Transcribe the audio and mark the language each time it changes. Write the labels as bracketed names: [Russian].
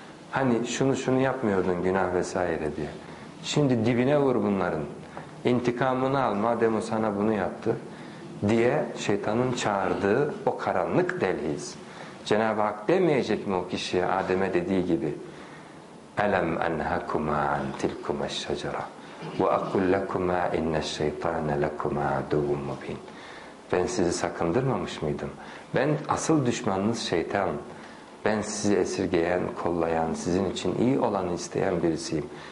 [Turkish] Hani şunu şunu yapmıyordun günah vesaire diye. Şimdi dibine vur bunların. İntikamını al madem o sana bunu yaptı diye şeytanın çağırdığı o karanlık delhiz. Cenab-ı Hak demeyecek mi o kişiye Adem'e dediği gibi? [Arabic] أَلَمْ أَنْهَكُمَا عَنْ تِلْكُمَ الشَّجَرَ وَأَقُلْ لَكُمَا اِنَّ الشَّيْطَانَ لَكُمَا عَدُوٌ مُّبِينٌ [Turkish] Ben sizi sakındırmamış mıydım? Ben asıl düşmanınız şeytan. Ben sizi esirgeyen, kollayan, sizin için iyi olanı isteyen birisiyim.